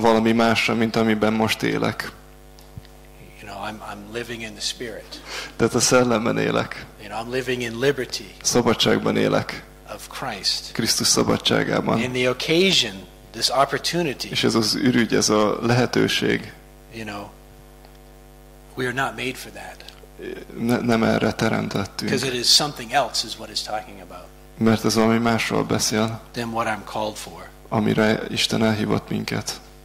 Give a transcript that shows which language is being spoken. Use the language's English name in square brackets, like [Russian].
[Hungarian] Valami másra, mint amiben most élek. [English] You know, I'm living in the spirit. [Hungarian] Tehát a szellemben élek. [English] You know, I'm living in liberty. [Hungarian] Szabadságban élek. [English] Of Christ. [Hungarian] Krisztus szabadságában. [English] In the occasion, this opportunity. [Hungarian] És ez az ürügy, ez a lehetőség. [English] You know, we are not made for that. [Hungarian] Nem erre teremtettünk. [English] Because it is something else is what it's talking about. [Hungarian] Mert ez valami másról beszél. [English] Than what I'm called for. [Hungarian] Amire Isten elhívott minket.